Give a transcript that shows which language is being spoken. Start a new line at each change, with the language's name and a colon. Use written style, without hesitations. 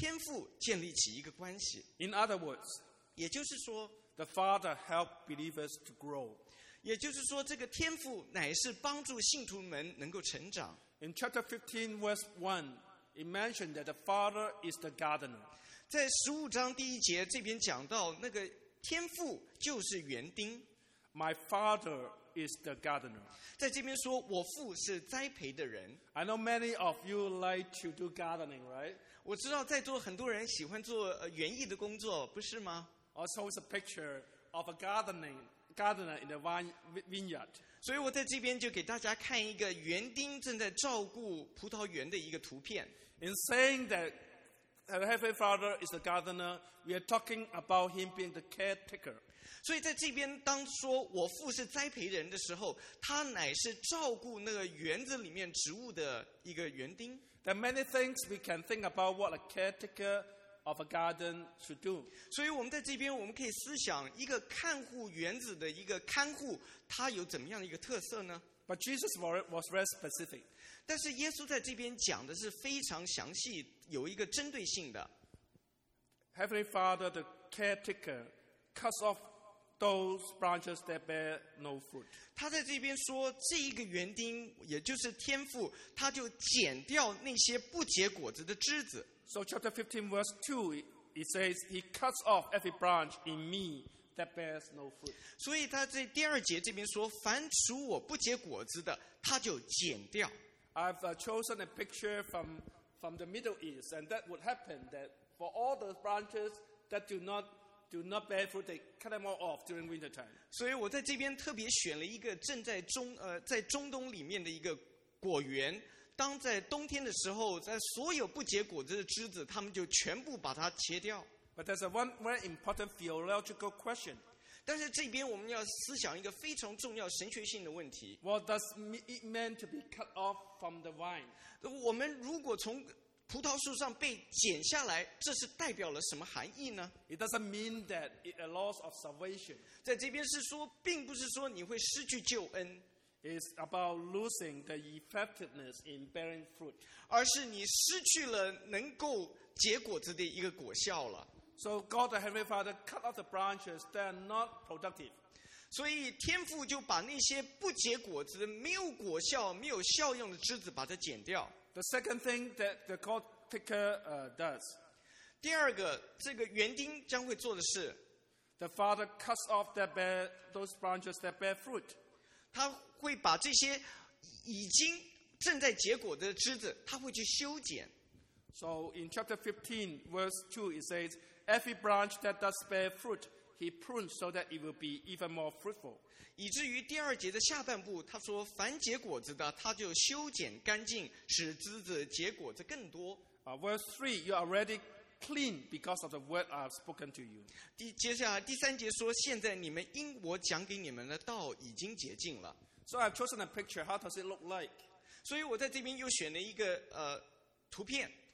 Chinese: 所以第一个，我们基督徒应该要与天父建立起一个关系。
English: In other words,
Chinese: 也就是说,
English: the Father helps believers to grow.
Chinese: 也就是说，这个天父乃是帮助信徒们能够成长。
English: In chapter 15, verse 1, it mentioned that the Father is the gardener.
Chinese: 在15章第一节这边讲到，那个天父就是园丁。
English: My Father is the gardener.
Chinese: 在这边说，我父是栽培的人。
English: I know many of you like to do gardening, right?
Chinese: 我知道在座很多人喜欢做园艺的工作，不是吗？
English: Also, it's a picture of a gardener in the vineyard.
Chinese: 所以我在这边就给大家看一个园丁正在照顾葡萄园的一个图片。
English: In saying that the Heavenly Father is the gardener, we are talking about him being the caretaker.
Chinese: 所以在这边当说我父是栽培人的时候，他乃是照顾那个园子里面植物的一个园丁。
English: There are many things we can think about what a caretaker of a garden should do.
Chinese: 所以我们在这边我们可以思想一个看护园子的一个看护他有怎么样的一个特色呢？
English: But Jesus was very specific.
Chinese: 但是耶稣在这边讲的是非常详细有一个针对性的。
English: Heavenly Father, the caretaker, cuts off those branches that bear no fruit.
Chinese: 他在这边说这一个园丁也就是天父他就剪掉那些不结果子的枝子。
English: So chapter 15 verse 2, it says, he cuts off every branch in me that bears no fruit.
Chinese: 所以他在第二节这边说凡属我不结果子的他就剪掉。
English: I've chosen a picture from the Middle East, and that would happen that for all the branches that do not bear fruit, they cut them all off during winter time.
Chinese: 所以我在这边特别选了一个正在 在中东里面的一个果园。当在冬天的时候在所有不结果子的枝子他们就全部把它切掉。
English: But there's a one very important theological question.
Chinese: 但是这边我们要思想一个非常重要神学性的问题。
English: What does it mean to be cut off from the vine?
Chinese: 我们如果从葡萄树上被剪下来这是代表了什么含义呢？
English: It doesn't mean that it's a loss of salvation.
Chinese: 在这边是说并不是说你会失去救恩。
English: Is about losing the effectiveness in bearing fruit.
Chinese: 而是你失去了能够结果子的一个果效了。
English: So God the Heavenly Father cut off the branches that are not productive.
Chinese: 所以天父就把那些不结果子、没有果效、没有效用的枝子把它剪掉。
English: The second thing that the God taker does.
Chinese: 第二个，这个园丁将会做的事。
English: The Father cuts off those branches that bear fruit.
Chinese: 他会把这些已经正在结果的枝子他会去修剪。
English: So in chapter 15 verse 2 it says every branch that does bear fruit he prunes so that it will be even more fruitful.
Chinese: 以至于第二节的下半部他说凡结果子的他就修剪干净使枝子结果子更多。
English: Verse 3 you are already clean because of the word I have spoken to you.
Chinese: 接下来第三节说现在你们因我讲给你们的道已经洁净了。
English: So I've chosen a picture. How does it look like?
Chinese: 所以我在这边又选了一个图片。